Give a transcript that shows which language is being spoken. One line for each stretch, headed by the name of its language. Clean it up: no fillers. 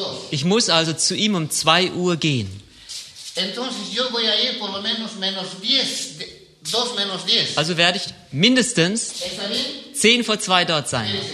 German: Ich muss also zu ihm um 2 Uhr gehen.
Spanish: Entonces yo voy a ir por lo menos menos 10, 2 menos 10.
German: Also werde ich mindestens 10 vor 2 dort sein.